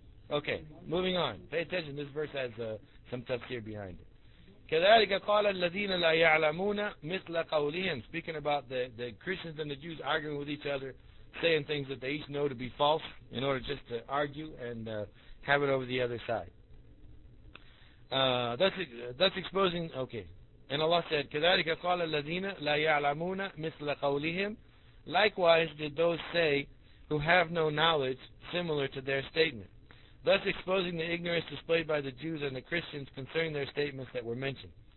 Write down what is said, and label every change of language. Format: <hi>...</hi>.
<en>Oh, Okay, moving on. Pay attention, this verse has some tafsir behind it.</en> <ar>كَذَلِكَ قَالَ الَّذِينَ لَا يَعْلَمُونَ مِثْلَ قَوْلِهِمْ.</ar> <en>Speaking about the Christians and the Jews arguing with each other, saying things that they each know to be false in order just to argue and have it over the other side. That's exposing, okay. And Allah said,</en> <ar>كَذَلِكَ قَالَ الَّذِينَ لَا يَعْلَمُونَ مِثْلَ قَوْلِهِمْ.</ar> <en>Likewise did those say who have no knowledge similar to their statement. Thus exposing the ignorance displayed by the Jews and the Christians concerning their statements that were mentioned.</en>